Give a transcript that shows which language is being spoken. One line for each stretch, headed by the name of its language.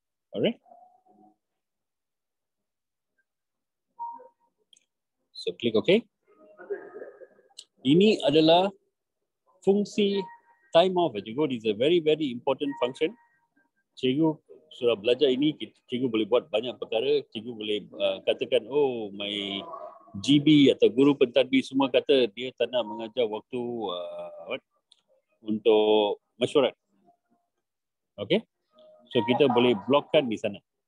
English: Alright. So click OK.
Malay: Ini adalah fungsi time off.
English: Cikgu, this is a very very important function.
Malay: Cikgu sudah belajar ini, cikgu boleh buat banyak perkara. Cikgu boleh katakan, oh my GB atau guru pentadbir semua kata dia tak nak mengajar waktu untuk mesyuarat. Okay, so kita boleh blokkan di sana.